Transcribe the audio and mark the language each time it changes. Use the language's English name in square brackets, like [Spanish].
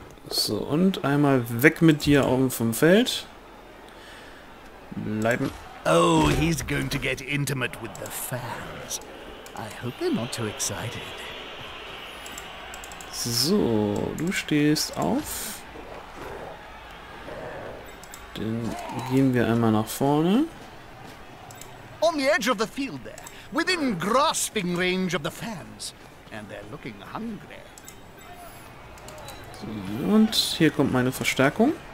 [German] So, und einmal weg mit dir oben vom Feld. Bleiben. [English] Oh, he's going to get intimate with the fans. I hope they're not too excited. [German] So, du stehst auf. Dann gehen wir einmal nach vorne. [English] On the edge of the field there, within grasping range of the fans. And they're looking hungry. [German] So, und hier kommt meine Verstärkung.